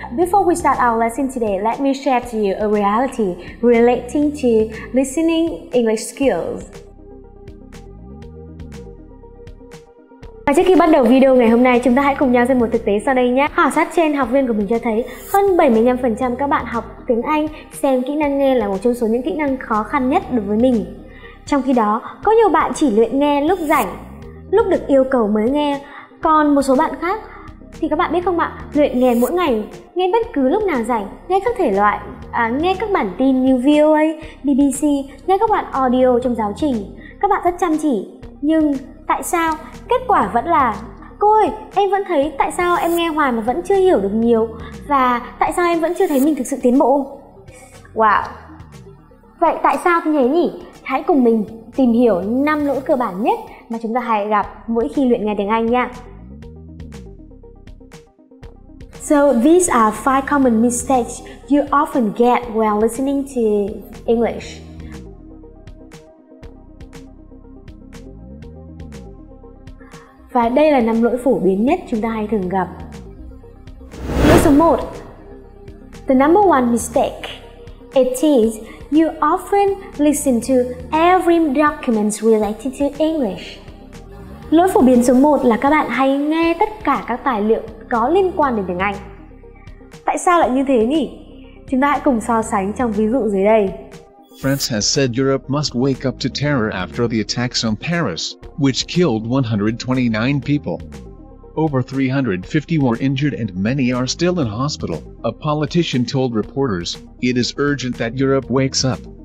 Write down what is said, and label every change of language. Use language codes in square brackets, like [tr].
[en] Before we start our lesson today, let me share to you a reality relating to listening English skills. [vi] Và trước khi bắt đầu video ngày hôm nay, chúng ta hãy cùng nhau xem một thực tế sau đây nhé. Khảo sát trên học viên của mình cho thấy hơn 75% các bạn học tiếng Anh xem kỹ năng nghe là một trong số những kỹ năng khó khăn nhất đối với mình. Trong khi đó, có nhiều bạn chỉ luyện nghe lúc rảnh, lúc được yêu cầu mới nghe. Còn một số bạn khác thì các bạn biết không ạ, luyện nghe mỗi ngày, nghe bất cứ lúc nào rảnh, nghe các thể loại, nghe các bản tin như VOA, BBC, nghe các bạn audio trong giáo trình. Các bạn rất chăm chỉ, nhưng tại sao kết quả vẫn là cô ơi, em vẫn thấy tại sao em nghe hoài mà vẫn chưa hiểu được nhiều, và tại sao em vẫn chưa thấy mình thực sự tiến bộ? Wow. Vậy tại sao thế nhỉ? Hãy cùng mình tìm hiểu 5 lỗi cơ bản nhất mà chúng ta hay gặp mỗi khi luyện nghe tiếng Anh nha. [en] So these are 5 common mistakes you often get when listening to English. [vi] Và đây là 5 lỗi phổ biến nhất chúng ta hay thường gặp. Lỗi số 1. [en] The number one mistake. It is you often listen to every document related to English. [vi] Lỗi phổ biến số 1 là các bạn hay nghe tất cả các tài liệu có liên quan đến tiếng Anh. Tại sao lại như thế nhỉ? Chúng ta hãy cùng so sánh trong ví dụ dưới đây. [en] France has said Europe must wake up to terror after the attacks on Paris, which killed 129 people. Over 350 were injured and many are still in hospital. A politician told reporters, "It is urgent that Europe wakes up."